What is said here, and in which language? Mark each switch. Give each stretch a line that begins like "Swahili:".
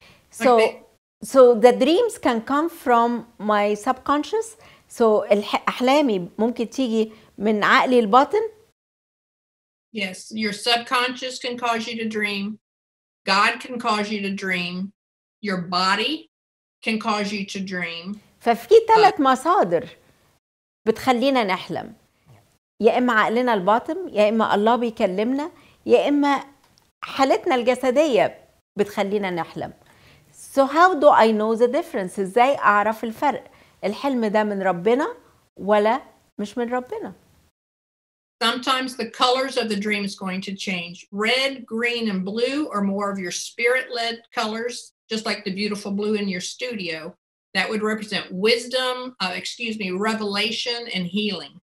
English: So the dreams can come from my subconscious.
Arabic: So أحلامي ممكن تيجي من عقلي الباطن.
English: Yes, your subconscious can cause you to dream. God can cause you to dream. Your body can cause you to dream.
Arabic: ففي ثلاث مصادر بتخلينا نحلم. يا إما عقلنا الباطن، يا إما الله بيكلمنا، يا إما حالتنا الجسدية بتخلينا نحلم.
English: So how do I know the difference?
Arabic: إزاي أعرف الفرق؟ الحلم ده من ربنا ولا مش من ربنا؟
English: Sometimes the colors of the dream is going to change. Red, green, and blue are more of your spirit-led colors, just like the beautiful blue in your studio. That would represent wisdom, revelation and healing.